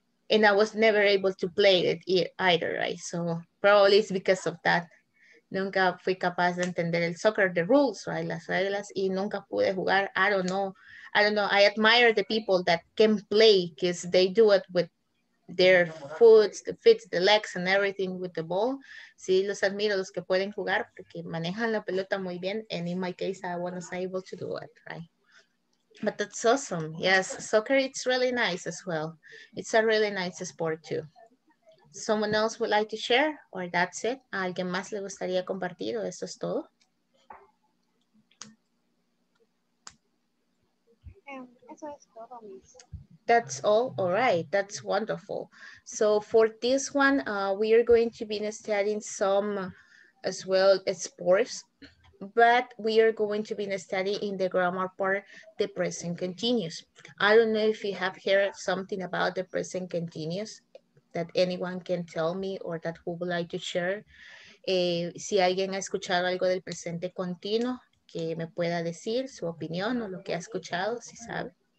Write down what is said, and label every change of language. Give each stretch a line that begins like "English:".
English: And I was never able to play it either, right? So probably it's because of that.
Spanish: Nunca fui capaz de entender el soccer,
English: the rules, right?
Spanish: Las reglas, y nunca pude jugar.
English: I don't know. I admire the people that can play because they do it with their foot, the feet, the legs and everything with the ball.
Spanish: Sí, los admiro, los que pueden jugar porque manejan la pelota muy bien.
English: And in my case, I was able to do it, right? But that's awesome. Yes, soccer, it's really nice as well. It's a really nice sport too. Someone else would like to share, or that's it?
Spanish: ¿A alguien más le gustaría compartir, o eso es todo? Eso es todo, Miss.
English: That's all? All right, that's wonderful. So for this one, we are going to be studying some as well as sports, but we are going to be studying in the grammar part, the present continuous. I don't know if you have heard something about the present continuous, that anyone can tell me or that who would like to share.
Spanish: Si alguien ha escuchado algo del presente continuo, que me pueda decir su opinión o lo que ha escuchado, si sabe.